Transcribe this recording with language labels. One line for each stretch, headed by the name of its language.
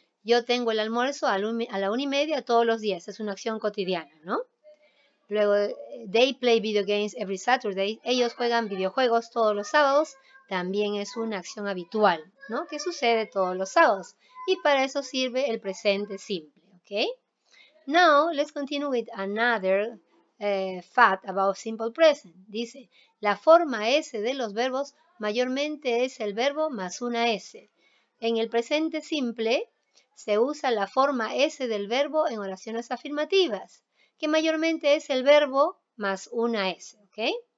Spanish: Yo tengo el almuerzo a la 1:30 todos los días. Es una acción cotidiana, ¿no? Luego,
English: they play video games every Saturday.
Spanish: Ellos juegan videojuegos todos los sábados. También es una acción habitual, ¿no? Que sucede todos los sábados. Y para eso sirve el presente simple, ¿ok?
English: Now, let's continue with another fact about simple present.
Spanish: Dice, la forma S de los verbos mayormente es el verbo más una S. En el presente simple, se usa la forma S del verbo en oraciones afirmativas, que mayormente es el verbo más una S, ¿ok?